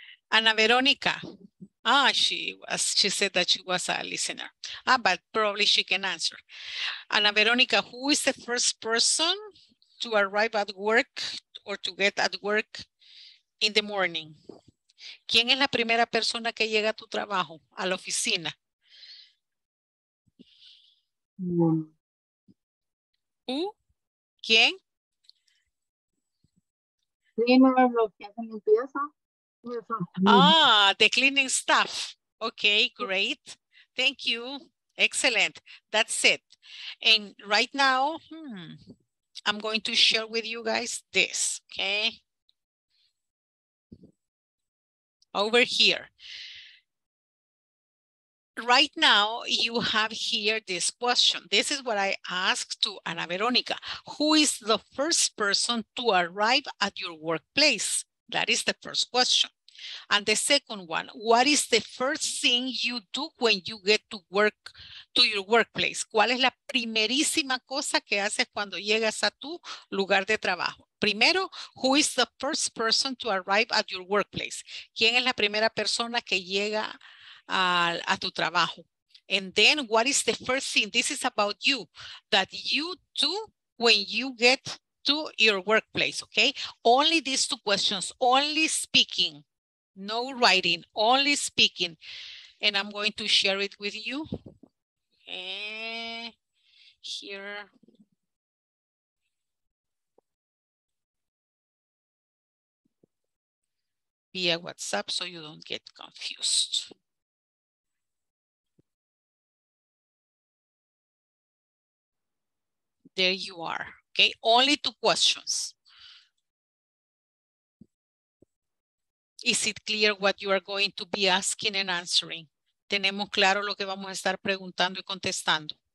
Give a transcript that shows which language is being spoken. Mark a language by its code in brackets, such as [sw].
[en] Ana Veronica. Ah, she said that she was a listener. Ah, but probably she can answer. Ana Veronica, who is the first person to arrive at work or to get at work in the morning. [es] ¿Quién es la primera persona que llega a tu trabajo, a la oficina? ¿Quién? [en] Ah, the cleaning staff. Okay, great. Thank you. Excellent. That's it. And right now, I'm going to share with you guys this, okay? Over here. Right now, you have here this question. This is what I asked to Ana Verónica. Who is the first person to arrive at your workplace? That is the first question. And the second one, what is the first thing you do when you get to work to your workplace? [es] ¿Cuál es la primerísima cosa que haces cuando llegas a tu lugar de trabajo? [en] Primero, who is the first person to arrive at your workplace? [es] ¿Quién es la primera persona que llega a tu trabajo? [en] And then, what is the first thing, this is about you, that you do when you get to your workplace, okay? Only these two questions, only speaking, no writing, only speaking. And I'm going to share it with you. Okay. Here. Via WhatsApp so you don't get confused. There you are, okay? Only two questions. Is it clear what you are going to be asking and answering? [es] ¿Tenemos claro lo que vamos a estar preguntando y contestando?